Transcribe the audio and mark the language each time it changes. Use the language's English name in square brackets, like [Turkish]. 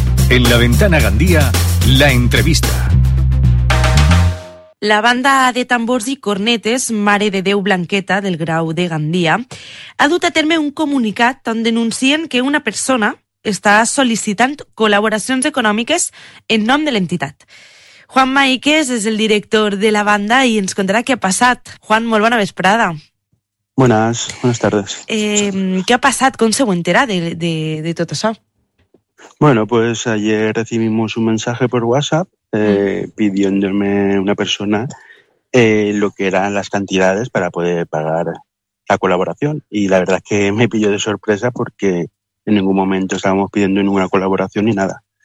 [Spanish] En la Ventana Gandía, la entrevista. [Catalan] La banda de tambors i cornetes Mare de Déu Blanqueta del Grau de Gandia ha dut a terme un comunicat on denuncien que una persona està sol·licitant col·laboracions econòmiques en nom de l'entitat. Juan Maíquez és el director de la banda i ens contarà què ha passat. Juan, molt bona vesprada. [Spanish] Buenas tardes. [Catalan] Què ha passat? Com se ho entera de tot això? [Spanish] Bueno, pues ayer recibimos un mensaje por WhatsApp pidiéndome una persona lo que eran las cantidades para poder pagar la colaboración. Y la verdad es que me pilló de sorpresa porque en ningún momento estábamos pidiendo ninguna colaboración ni nada.